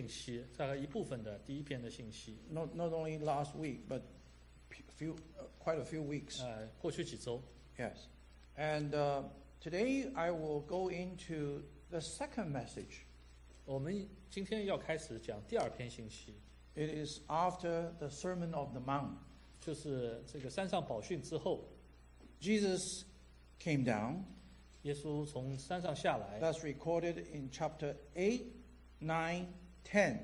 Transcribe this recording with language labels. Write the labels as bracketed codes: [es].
[zh] 我们上一周是讲了，这是第一个信息，大概一部分的第一篇的信息。 [en] Not only last week, but quite a few weeks. [zh] 过去几周。 [en] Yes. And today I will go into the second message. [zh] 我们今天要开始讲第二篇信息。 [en] It is after the Sermon of the Mount. [zh] 就是这个山上宝训之后。 [en] Jesus came down. [zh] 耶稣从山上下来, [en] That's recorded in chapter 8, 9, 10.